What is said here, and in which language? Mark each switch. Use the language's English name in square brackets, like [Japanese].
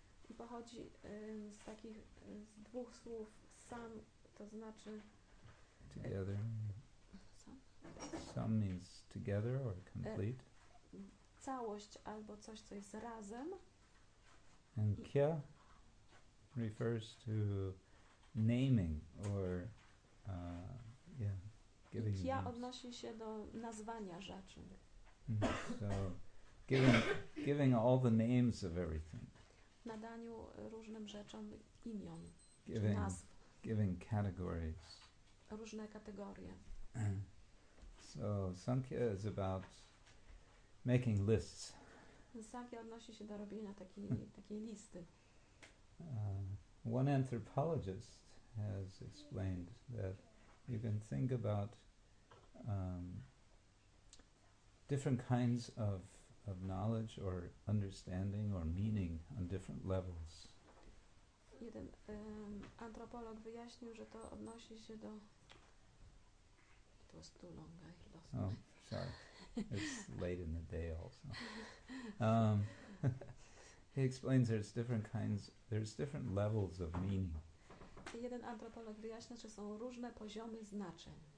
[Polish] I pochodzi z takich z dwóch słów sum, to znaczy [English] together. Sum means together or complete. [Polish] Całość albo coś, co jest razem. [English] And kya refers to naming or giving. [Polish] Kya odnosi się do nazwania rzeczy. [English] So giving all the names of everything. [Polish] Nadaniu różnym rzeczom imion, [English] giving, [Polish] czy nazw. [English] Giving categories. [Polish] Różne kategorie. [English] So Sankhya is about making lists. [Polish] Sankhya odnosi się do robienia takiej listy. [English] One anthropologist has explained that you can think about different kinds of knowledge or understanding or meaning on different levels. [Polish] Jeden antropolog wyjaśnił, że to odnosi się do... [English] It was too long, I lost my... Oh, sorry. It's late in the day also. He explains there's different kinds, there's different levels of meaning. [Polish] Jeden antropolog wyjaśnia, że są różne poziomy znaczeń.